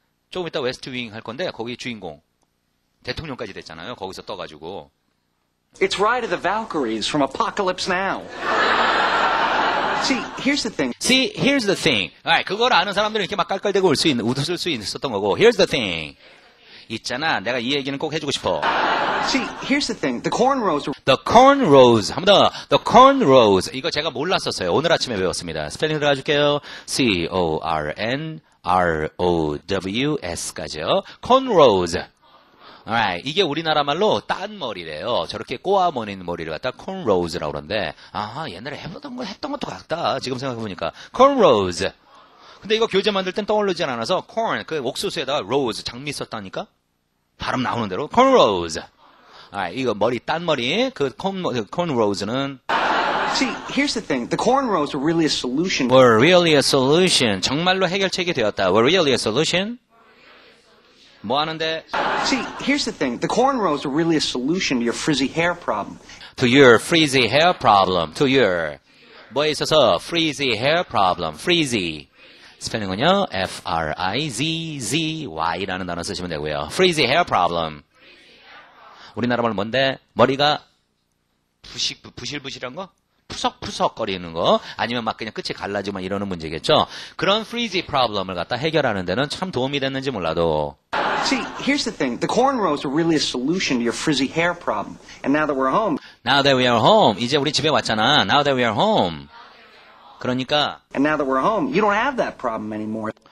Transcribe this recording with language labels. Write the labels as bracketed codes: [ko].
[ko] 조금 이따 웨스트 윙 할 건데 거기 주인공. 대통령까지 됐잖아요. 거기서 떠가지고. [en] It's Ride of the Valkyries from Apocalypse Now. See, here's the thing. [ko] Alright, 그걸 아는 사람들은 이렇게 막 깔깔대고 웃을 수 있었던 거고. [en] Here's the thing. [ko] 있잖아. 내가 이 얘기는 꼭 해주고 싶어. [en] See, here's the thing. The cornrows. The cornrows. [ko] 한 번 더. The cornrows. 이거 제가 몰랐었어요. 오늘 아침에 배웠습니다. 스펠링 들어가줄게요. C-O-R-N-R-O-W-S 까지요. Cornrows. Alright, 이게 우리나라 말로 딴 머리래요. 저렇게 꼬아 머린 머리를 갖다 cornrows라고 그러는데, 아 옛날에 했던 것도 같다. 지금 생각해보니까 cornrows. 근데 이거 교재 만들 땐 떠오르지 않아서 corn 그 옥수수에다가 rose 장미 썼다니까 발음 나오는 대로 cornrows. Alright, 이거 머리 딴 머리 그 cornrows는. [en] See, here's the thing. The cornrows were really a solution. Were really a solution. [ko] 정말로 해결책이 되었다. [en] Were really a solution. [ko] 뭐 하는데? [en] See, here's the thing. The cornrows are really a solution to your frizzy hair problem. To your frizzy hair problem. To your. [ko] 뭐에 있어서? [en] Frizzy hair problem. Frizzy. [ko] 스펠링은요? F-R-I-Z-Z-Y 라는 단어 쓰시면 되고요. Frizzy hair problem. 우리나라 말 뭔데? 머리가 부실부실한 거? 푸석푸석거리는 거 아니면 막 그냥 끝이 갈라지고 막 이러는 문제겠죠. 그런 프리지 프로블럼을 갖다 해결하는 데는 참 도움이 됐는지 몰라도. [en] See, here's the thing. The cornrows are really a solution to your frizzy hair problem. And now that we're home. Now that we are home. [ko] 이제 우리 집에 왔잖아. [en] Now that we are home. 그러니까 And now that we're home, you don't have that problem anymore.